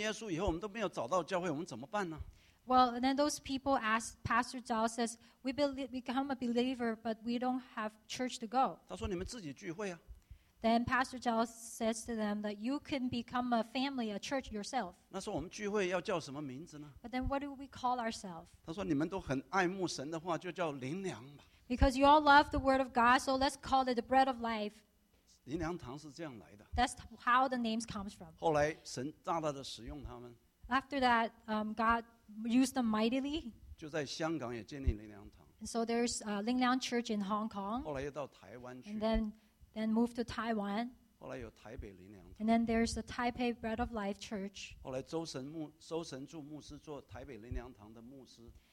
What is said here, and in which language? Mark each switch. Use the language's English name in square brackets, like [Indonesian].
[Chinese] 后来他们就问赵牧师说：“我们信耶稣以后，我们都没有找到教会，我们怎么办呢？” [English] Well, and then those people asked, Pastor Zhao says, we become a believer, but we don't have church to go. [Chinese] 他说你们自己聚会啊。 [English] Then Pastor Zhao says to them that you can become a family, a church yourself. [Chinese] 那时候我们聚会要叫什么名字呢？ [English] But then what do we call ourselves? [Chinese] 他说你们都很爱慕神的话，就叫灵粮吧。 [English] Because you all love the word of God, so let's call it the bread of life. [Chinese] 灵粮堂是这样来的。 [English] That's how the names comes from. [Chinese] 后来神大大的使用他们。 [English] After that, God used them mightily. [Chinese] 就在香港也建立灵粮堂。 [English] And so there's Linliang Church in Hong Kong. [Chinese] 后来又到台湾去。 [English] And then moved to Taiwan. [Chinese] 后来有台北灵粮堂。 [English] And then there's the Taipei Bread of Life Church. [Chinese] 后来周神柱牧师做台北灵粮堂的牧师。